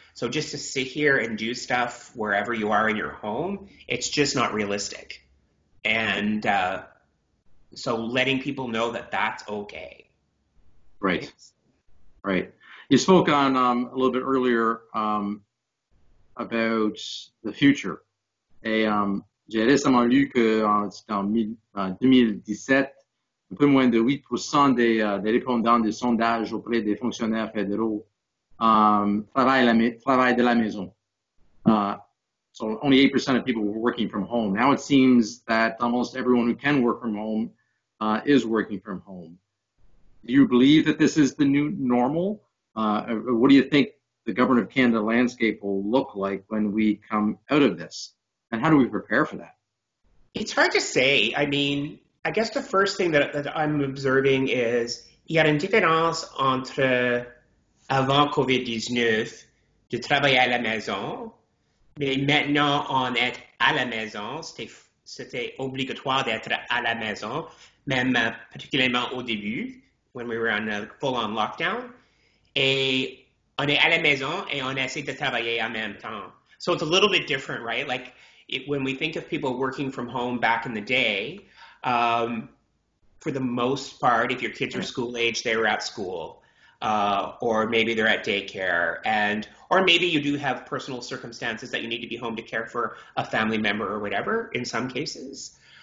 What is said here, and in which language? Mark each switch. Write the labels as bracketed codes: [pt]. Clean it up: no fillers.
[en] So just to sit here and do stuff wherever you are in your home, it's just not realistic. And so letting people know that that's okay. Right. Right. You spoke on a little bit earlier about the future. [fr] J'ai récemment lu que en 2017, un peu moins de 8% des répondants des sondages auprès des fonctionnaires fédéraux travaillent de la maison. [en] So only 8% of people were working from home. Now it seems that almost everyone who can work from home is working from home. Do you believe that this is the new normal? What do you think the Government of Canada landscape will look like when we come out of this? And how do we prepare for that? It's hard to say. I mean, I guess the first thing that I'm observing is, [fr] il y a une différence entre avant COVID-19 de travailler à la maison, mais maintenant on est à la maison. C'était obligatoire d'être à la maison, même particulièrement au début, [en] when we were on a full-on lockdown. [fr] Et on est à la maison et on essaie de travailler en même temps. [en] So it's a little bit different, right? Like, when we think of people working from home back in the day, for the most part, if your kids are school age, they were at school, or maybe they're at daycare, or maybe you do have personal circumstances that you need to be home to care for a family member or whatever in some cases.